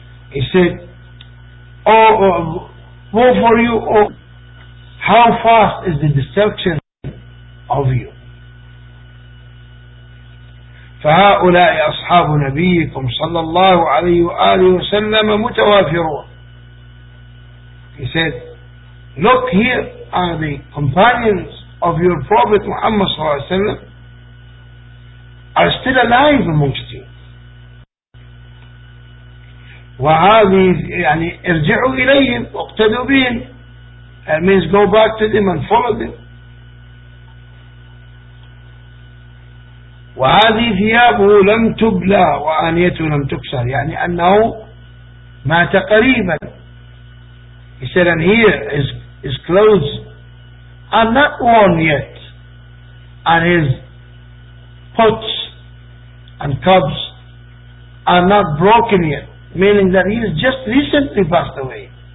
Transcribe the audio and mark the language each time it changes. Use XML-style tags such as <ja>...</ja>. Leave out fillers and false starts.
<en>He said, Oh, vote for you, oh, how fast is the destruction of you.</en> <ar>فهؤلاء أصحاب نبيكم صلى الله عليه وآله وسلم متوافرون.</ar> <en>He said, look, here are the companions of your Prophet Muhammad</en> <ar>صلى الله عليه وسلم</ar> <en>are still alive amongst you.</en> <ar>وهذه يعني ارجعوا إليهم واقتدوا بهم.</ar> <en>That means go back to them and follow them.</en> <ar>وهذه ثيابه لم تبلى وآنيته لم تكسر. يعني أنه مات قريبا.</ar> <en>He said, and here his clothes are not worn yet, and his pots and cups are not broken yet, meaning that he has just recently passed away.</en>